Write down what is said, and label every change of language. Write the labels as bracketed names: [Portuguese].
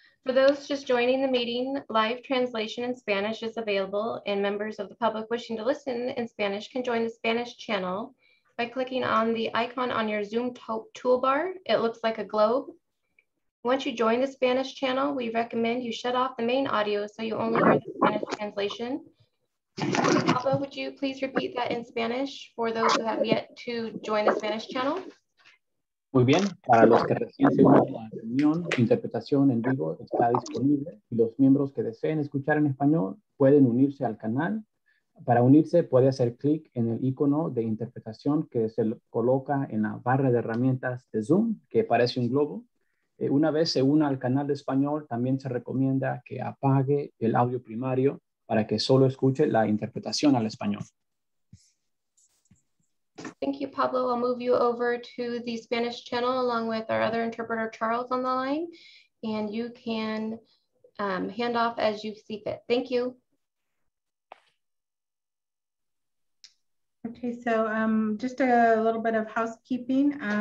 [English] For those just joining the meeting, live translation in Spanish is available and members of the public wishing to listen in Spanish can join the Spanish channel by clicking on the icon on your Zoom toolbar. It looks like a globe. Once you join the Spanish channel, we recommend you shut off the main audio so you only hear the Spanish translation. Papa, would you please repeat that in Spanish for those who have yet to join the Spanish channel? [Spanish] Muy bien, para los que recién se unen a la reunión, interpretación en vivo está disponible y los miembros que deseen escuchar en español pueden unirse al canal. Para unirse puede hacer clic en el icono de interpretación que se coloca en la barra de herramientas de Zoom, que parece un globo. Una vez se una al canal de español, también se recomienda que apague el audio primario para que solo escuche la interpretación al español. [English] Thank you, Pablo. I'll move you over to the Spanish channel along with our other interpreter, Charles, on the line, and you can hand off as you see fit. Thank you. Okay, so just a little bit of housekeeping.